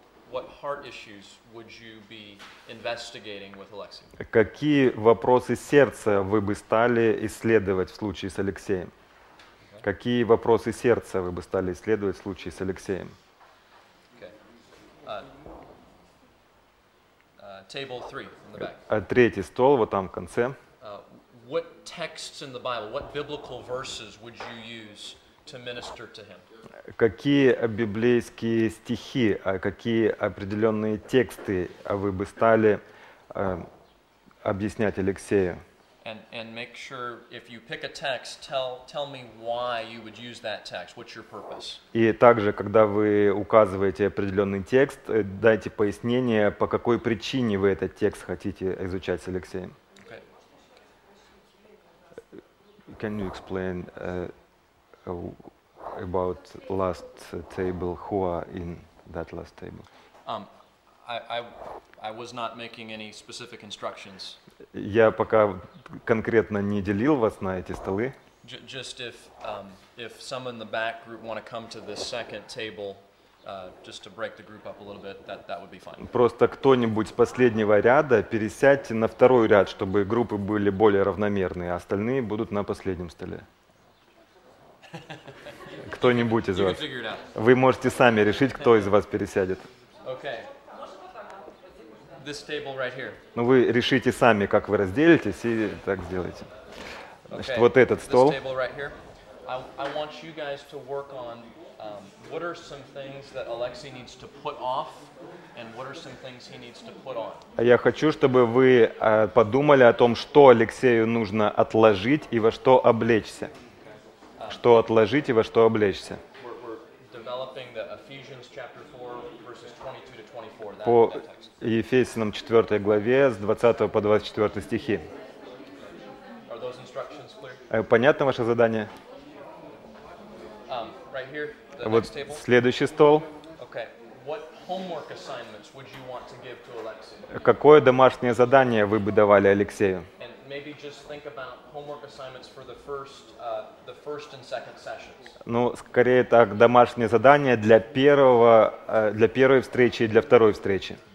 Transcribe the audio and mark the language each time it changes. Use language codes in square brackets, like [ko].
[en] What heart issues would you be investigating with Alexei? [ru] Какие вопросы сердца вы бы стали исследовать в случае с Алексеем? Какие вопросы сердца вы бы стали исследовать в случае с Алексеем? [en] Okay. Table three in the back. [ru] Третий стол вот там в конце. [en] What texts in the Bible, what biblical verses would you use to minister to him. [ru] Какие библейские стихи, какие определенные тексты вы бы стали объяснять Алексею? [en] And make sure if you pick a text, tell me why you would use that text. What's your purpose? [ru] И также, когда вы указываете определенный текст, дайте пояснение, по какой причине вы этот текст хотите изучать с Алексеем. [en] Can you explain about last table? Who are in that last table? I was not making any specific instructions. [ru] Я пока конкретно не делил вас на эти столы. [en] Just if some in the back group want to come to this second table, just to break the group up a little bit, that would be fine. [ru] Просто кто-нибудь с последнего ряда пересядьте на второй ряд, чтобы группы были более равномерные, а остальные будут на последнем столе. Кто-нибудь из вас. Вы можете сами решить, кто из вас пересядет. [en] Okay. This table right here. [ru] Ну, вы решите сами, как вы разделитесь, и так сделайте. Значит, [en] okay. [ru] Вот этот стол. [en] This table right here. I want you guys to work on what are some things that Alexei needs to put off, and what are some things he needs to put on. [ru] Я хочу, чтобы вы подумали о том, что Алексею нужно отложить и во что облечься. [en] Okay. [ru] Что отложить и во что облечься. [en] We're developing the Ephesians chapter 4, verses 22 to 24. [ru] По Ефесянам 4 главе с 20 по 24 стихи. [en] Are those instructions clear? [ru] Понятно ваше задание? [en] Right here, the [ru] вот [en] next table. [ru] Следующий стол. [en] Okay. What homework assignments would you want to give to Alexei? [ru] Какое домашнее задание вы бы давали Алексею? [en] And maybe just think about homework assignments for the first and second sessions. [ru] Ну, скорее так, домашнее задание для первого, для первой встречи и для второй встречи.